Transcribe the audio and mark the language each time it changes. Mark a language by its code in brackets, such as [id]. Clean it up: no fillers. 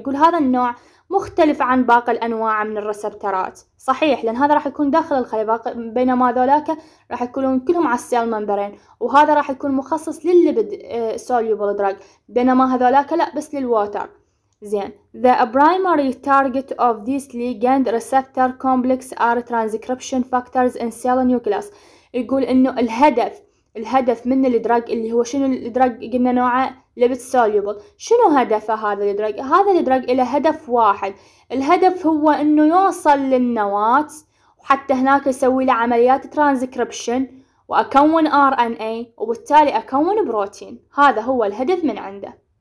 [ar] يقول هذا النوع مختلف عن باقي الانواع من الريسبترات، صحيح لان هذا راح يكون داخل الخلية بينما ذولاك راح يكونون كلهم على السيل ممبرين، وهذا راح يكون مخصص للليبيد سوليوبل درج بينما هذولاك لا بس للووتر زين. [en] The primary target of this ligand receptor complex are transcription factors in cell nucleus. [ar] يقول انه الهدف من الدرج اللي هو شنو الدرج قلنا نوعه ليبيد سوليوبل، شنو هدفه هذا الدرج؟ هذا الدرج له هدف واحد، الهدف هو انه يوصل للنواة وحتى هناك يسوي له عمليات ترانسكريبشن واكون ار ان اي وبالتالي اكون بروتين، هذا هو الهدف من عنده.